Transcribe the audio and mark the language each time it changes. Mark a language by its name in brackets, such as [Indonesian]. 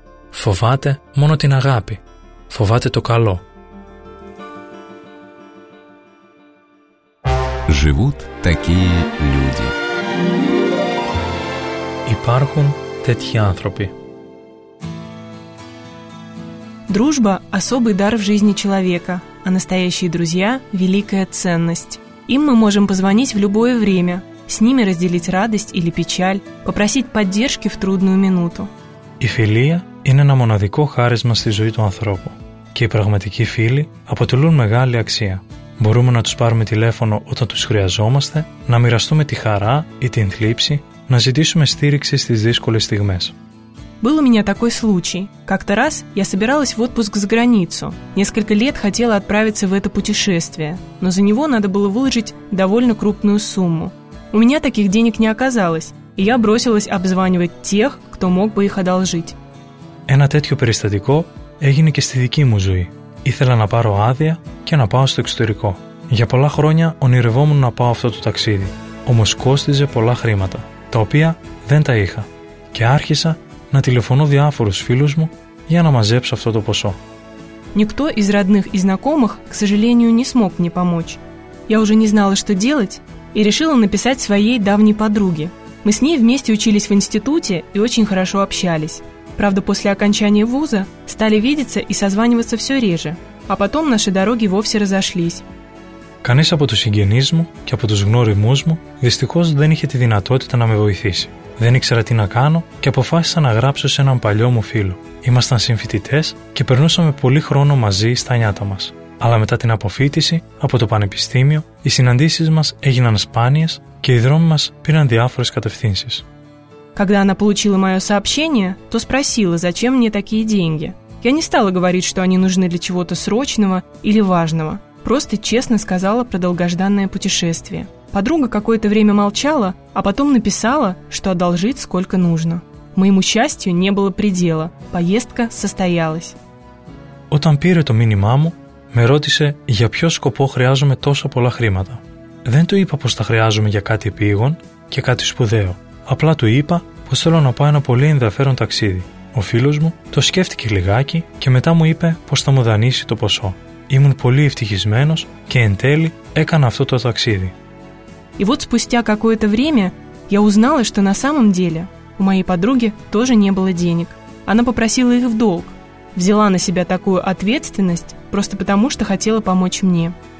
[Greek] Φοβάται μόνο την αγάπη. Φοβάται το καλό». [Russian] Живут такие люди. [Greek] Υπάρχουν τέτοιοι άνθρωποι. [Russian] Дружба – особый дар в жизни человека, а настоящие друзья – великая ценность. Им мы можем позвонить в любое время, с ними разделить радость или печаль, попросить поддержки в трудную минуту. [Greek] Η φιλία είναι ένα μοναδικό χάρισμα στη ζωή του ανθρώπου και οι πραγματικοί φίλοι αποτελούν μεγάλη αξία. Μπορούμε να τους πάρουμε τηλέφωνο όταν τους χρειαζόμαστε, να μοιραστούμε τη χαρά ή την θλίψη, να ζητήσουμε στήριξη στις δύσκολες στιγμές. [Russian] Был у меня такой случай. Как-то раз я собиралась в отпуск за границу. Несколько лет хотела отправиться в это путешествие, но за него надо было выложить довольно крупную сумму. У меня таких денег не оказалось, и я бросилась обзванивать тех, кто мог бы их одолжить. [Greek] Ένα τέτοιο περιστατικό έγινε και στη δική μου ζωή. Ήθελα να πάρω άδεια και να πάω στο εξωτερικό. Για πολλά χρόνια ονειρευόμουν να πάω αυτό το ταξίδι, όμως κόστιζε πολλά χρήματα, τα οποία δεν τα είχα. Και άρχισα να τηλεφωνώ διάφορους φίλους μου για να μαζέψω αυτό το ποσό. [Russian] Никто из родных и знакомых, к сожалению, не смог мне помочь. Я уже не знала, что делать, и решила написать своей давней подруге. Мы с ней вместе учились в институте и очень хорошо общались. Правда, после окончания вуза стали видеться и созваниваться все реже, а потом наши дороги вовсе разошлись. [Greek] Κανείς από τους συγγενείς μου και από τους γνώριμούς μου δυστυχώς δεν είχε τη δυνατότητα να με βοηθήσει. Δεν ήξερα τι να κάνω και αποφάσισα να γράψω σε έναν παλιό μου φίλο. Ήμασταν συμφοιτητές και περνούσαμε πολύ χρόνο μαζί στα νιάτα μας. Αλλά μετά την αποφύτιση από το πανεπιστήμιο, οι συναντήσεις μας έγιναν σπάνιες και οι δρόμοι μας πήραν διάφορες κατευθύνσεις. [Russian] Когда она получила моё сообщение, то спросила, зачем мне такие деньги. Я не стала говорить, что они нужны для чего-то срочного или важного. Просто честно сказала про долгожданное путешествие. Подруга какое-то время молчала, а потом написала, что одолжит сколько нужно. Моему счастью не было предела. Поездка состоялась. [Greek] Όταν πήρε το μήνυμά μου, με ρώτησε για ποιο σκοπό χρειάζομαι τόσα πολλά χρήματα. Δεν του είπα πως τα χρειάζομαι για κάτι επίγον και κάτι σπουδαίο. Απλά του είπα πως θέλω να πάω ένα πολύ ενδιαφέρον ταξίδι. Ο φίλος μου το σκέφτηκε λιγάκι και μετά μου είπε πως θα μου δανείσει το ποσό. Ήμουν πολύ ευτυχισμένος και εν τέλει έκανα αυτό το ταξίδι. [Russian] И вот спустя какое-то время я узнала, что на самом деле у моей подруги тоже не было денег. Она попросила их в долг. Взяла на себя такую ответственность просто потому, что хотела помочь мне.